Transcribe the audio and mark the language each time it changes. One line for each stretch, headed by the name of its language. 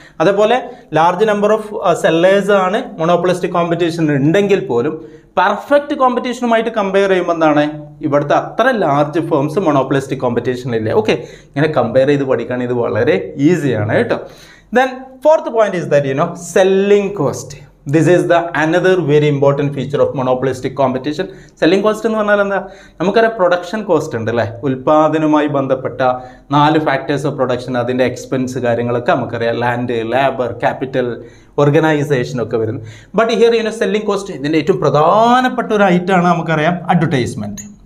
Malayalam: അതേപോലെ large number of സെല്ലേഴ്സാണ് മോണോപൊളിസ്റ്റിക് competition ഉണ്ടെങ്കിൽ പോലും പെർഫെക്റ്റ് കോമ്പറ്റീഷനുമായിട്ട് കമ്പയർ ചെയ്യുമ്പോൾ എന്താണ്, ഇവിടുത്തെ അത്ര ലാർജ് ഫേംസ് മോണോപൊളിസ്റ്റിക് കോമ്പറ്റീഷനിലില്ല. ഓക്കെ, ഇങ്ങനെ കമ്പയർ ചെയ്ത് പഠിക്കാൻ ഇത് വളരെ ഈസിയാണ് കേട്ടോ.
English: Then fourth point is that you know selling cost. This is the another very important feature of monopolistic competition.
Malayalam: Selling cost എന്ന് പറഞ്ഞാൽ എന്താ, നമുക്കറിയാം പ്രൊഡക്ഷൻ കോസ്റ്റ് ഉണ്ട് അല്ലേ, ഉൽപ്പാദനവുമായി ബന്ധപ്പെട്ട നാല് ഫാക്ടേഴ്സ് ഓഫ് പ്രൊഡക്ഷൻ, അതിൻ്റെ എക്സ്പെൻസ് കാര്യങ്ങളൊക്കെ നമുക്കറിയാം, ലാൻഡ്, ലേബർ, ക്യാപിറ്റൽ, ഓർഗനൈസേഷൻ ഒക്കെ വരുന്നു.
English: but here you know selling cost,
Malayalam: ഇതിൻ്റെ ഏറ്റവും പ്രധാനപ്പെട്ട ഒരു ഐറ്റമാണ് നമുക്കറിയാം അഡ്വർടൈസ്മെൻറ്റ്.